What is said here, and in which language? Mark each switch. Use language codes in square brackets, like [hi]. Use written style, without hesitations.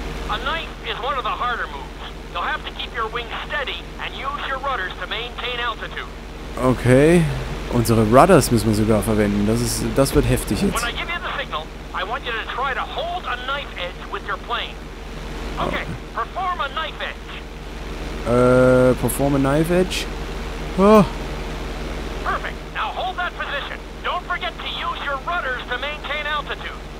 [en] A knife is one of the harder moves. You'll have to keep your wings steady and use your rudders to maintain altitude. Okay. [de] Unsere Rudders müssen wir sogar verwenden. Das wird heftig jetzt. [en] When I give you the signal, I want you to try to hold a knife edge with your plane. Okay, perform a knife edge. Perform a knife edge? Perfect. Now hold that position. Don't forget to use your rudders to maintain altitude.